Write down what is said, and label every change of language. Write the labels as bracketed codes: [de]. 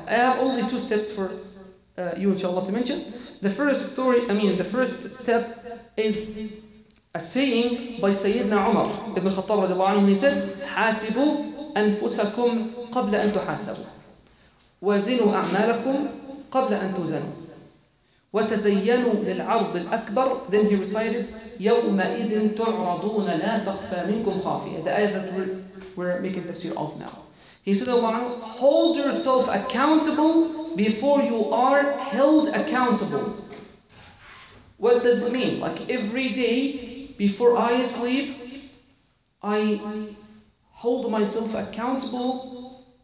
[en] I have only two steps for you, inshallah, to mention. The first step is a saying by Sayyidina Umar ibn Khattab radiallahu anhu. He said, [ar] حاسبوا أنفسكم قبل أن تحاسبوا وزنوا أعمالكم قبل أن توزنوا وتزينوا للعرض الأكبر. [en] Then he recited, [ar] يومئذ تعرضون لا تخفى منكم خافية. [en] The ayah that we're making tafsir of now. He said, Allah, hold yourself accountable before you are held accountable. What does it mean? Like every day before I sleep, I hold myself accountable